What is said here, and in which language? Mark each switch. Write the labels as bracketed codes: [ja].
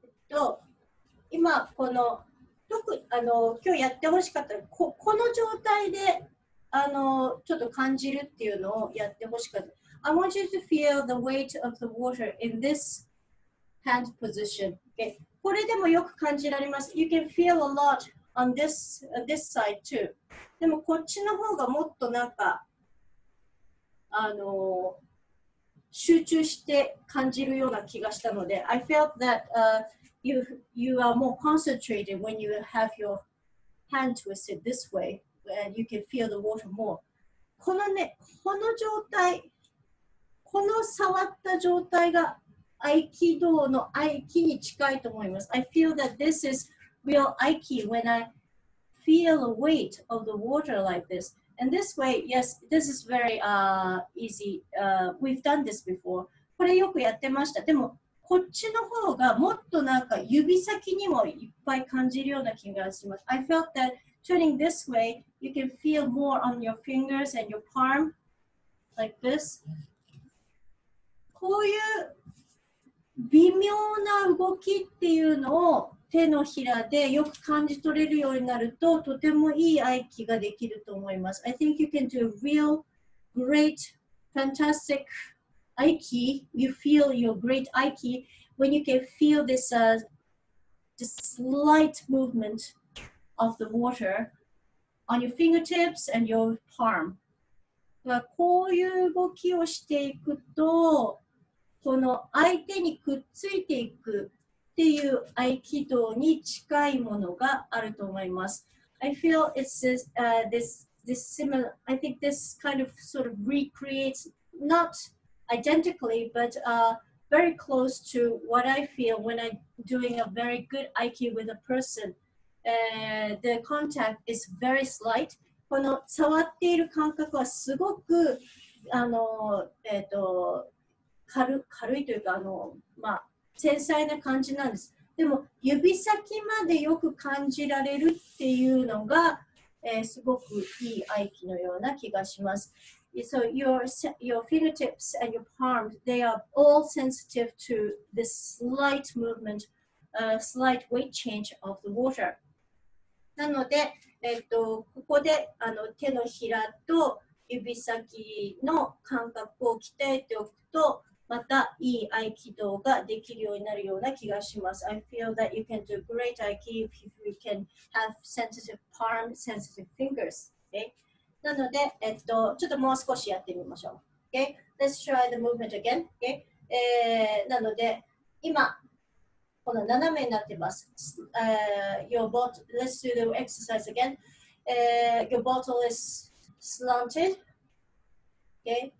[ja] ら、今この特に今日やってほしかったら この状態でちょっと感じるっていうのをやってほしかった。 [en] I want you to feel the weight of the water in this hand position. Okay. [ja] これでもよく感じられます。 [en] You can feel a lot on this side too. [ja] でもこっちの方がもっとなんか、集中して感じるような気がしたので、 [en] I felt that you are more concentrated when you have your hand twisted this way and you can feel the water more. [ja] このね、この状態、この触った状態が Aikido の Aiki に近いと思います。 [en] I feel that this is real Aiki when I feel the weight of the water like this. And this way, yes, this is very easy. We've done this before. [ja] これよくやってました。でもこっちの方がもっとなんか指先にもいっぱい感じるような気がします。 [en] I felt that turning this way, you can feel more on your fingers and your palm like this. [ja] こういう微妙な動きっていうのを手のひらでよく感じ取れるようになると、とてもいい合気ができると思います。 [en] I think you can do a real great fantastic 合気。 You feel your great 合気 when you can feel this, this slight movement of the water on your fingertips and your palm. [ja] こういう動きをしていくと、この相手にくっついていくっていう合気道に近いものがあると思います。 [en] I feel it's this similar. I think this kind of sort of recreates not identically, but very close to what I feel when I'm doing a very good aiki with a person. The contact is very slight. [ja] この触っている感覚はすごく軽いというか繊細な感じなんです。でも指先までよく感じられるっていうのが、すごくいい合気のような気がします。 [en] So your fingertips and your palms, they are all sensitive to this slight movement, slight weight change of the water. [ja] なので、ここで手のひらと指先の感覚を鍛えておくと、またいい合気道ができるようになるような気がします。 [en] I feel that you can do great aiki if you can have sensitive palm, sensitive fingers. Okay? [ja] なので、ちょっともう少しやってみましょう。 [en] Okay? Let's try the movement again. Okay? [ja] なので、今、この斜めになってます。 [en] Let's do the exercise again. Your bottle is slanted. Okay?